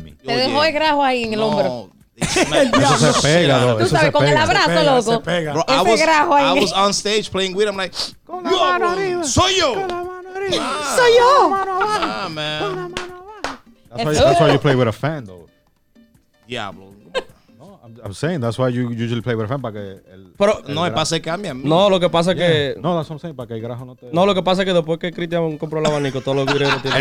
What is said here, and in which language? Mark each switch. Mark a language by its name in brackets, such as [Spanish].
[Spanish] Te dejó el grajo ahí en el hombro. Eso se pega, bro. Tú sabes, con el abrazo, loco. Se pega. [English] Bro, I was on stage playing with him. I'm like, [Spanish] con la mano arriba. Soy yo. Con la mano arriba. Ah. Soy yo. [English] Ah, man. [Spanish] Con la mano abajo. [English] That's why you play with a fan, though. [Spanish] Diablo. [English] I'm saying that's why you usually play with a fan, [Spanish] porque el. Pero el no, el pase cambia. No, lo que pasa es que. [English] No, that's what I'm saying, [Spanish] para que el grajo no te. No, lo que pasa es que después que Cristian compró el abanico, todos los gringos tienen.